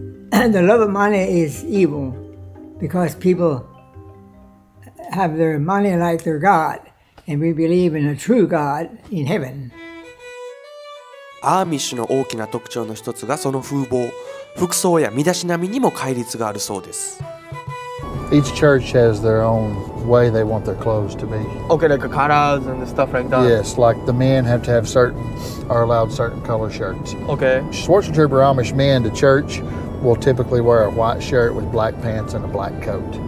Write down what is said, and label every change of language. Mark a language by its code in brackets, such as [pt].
[en] The love of money is evil because peoplehave their money like their God, and we believe in a true God in heaven. [ja] アーミッシュの大きな特徴の一つがその風貌、服装や身だしなみにも戒律があるそうです。 [en] Each church has their own way they want their clothes to be. Okay, like colors and stuff like that? Yes, like the men have to have certain, are allowed certain color shirts. Okay. Schwarzentruber Amish men to church will typically wear a white shirt with black pants and a black coat.